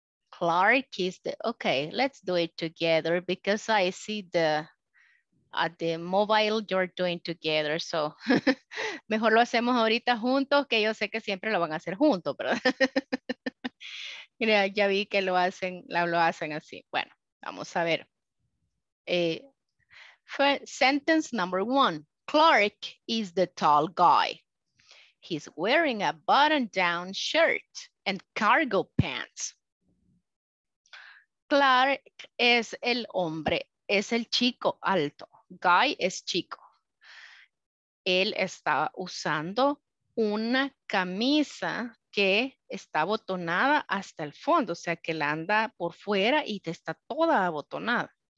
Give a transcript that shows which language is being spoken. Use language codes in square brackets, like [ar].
[en] Clark is the, okay, let's do it together because I see the at the mobile you're doing together. [es] So, mejor lo hacemos ahorita juntos que yo sé que siempre lo van a hacer juntos, ¿verdad? Mira, ya vi que lo hacen así. Bueno, vamos a ver. [en] Sentence number one. Clark is the tall guy. He's wearing a button-down shirt and cargo pants. [es] Clark es el hombre, es el chico alto. Guy es chico. Él está usando una camisa que está abotonada hasta el fondo, o sea que la anda por fuera y está toda abotonada.